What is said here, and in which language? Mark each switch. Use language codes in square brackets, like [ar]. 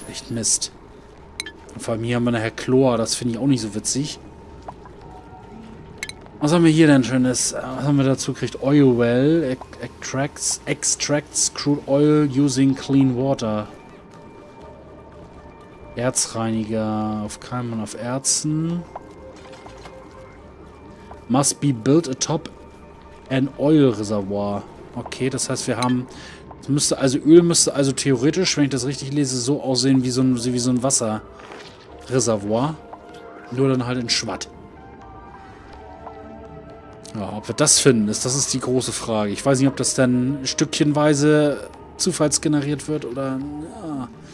[de] Mist. Und vor allem hier haben wir nachher Chlor. Das finde ich auch nicht so witzig. Was haben wir hier denn schönes? Was haben wir dazu gekriegt? [en] Oil well. Extracts crude oil using clean water. [de] Erzreiniger. Auf Keimen, auf Erzen. [en] Must be built atop an oil reservoir. [de] Okay, das heißt, wir haben... Müsste also Öl müsste also theoretisch, wenn ich das richtig lese, so aussehen wie so ein Wasserreservoir. Nur dann halt in Schwatt. Ja, ob wir das finden, das ist die große Frage. Ich weiß nicht, ob das dann stückchenweise zufallsgeneriert wird oder... Ja.